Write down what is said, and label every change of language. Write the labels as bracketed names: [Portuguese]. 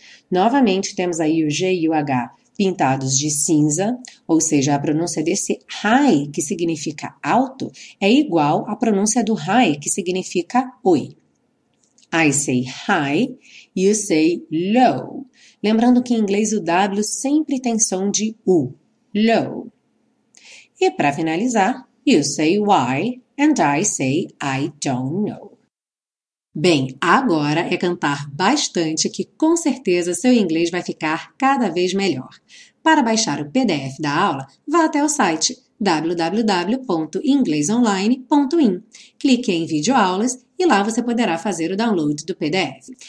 [Portuguese] Novamente, temos aí o G e o H pintados de cinza, ou seja, a pronúncia desse hi, que significa alto, é igual à pronúncia do hi, que significa oi. [English] I say hi, you say low. [Portuguese] Lembrando que em inglês o W sempre tem som de U. [English] low. [Portuguese] E para finalizar, [English] you say why and I say I don't know. [Portuguese] Bem, agora é cantar bastante que com certeza seu inglês vai ficar cada vez melhor. Para baixar o PDF da aula, vá até o site www.inglesonline.in. Clique em videoaulas e lá você poderá fazer o download do PDF.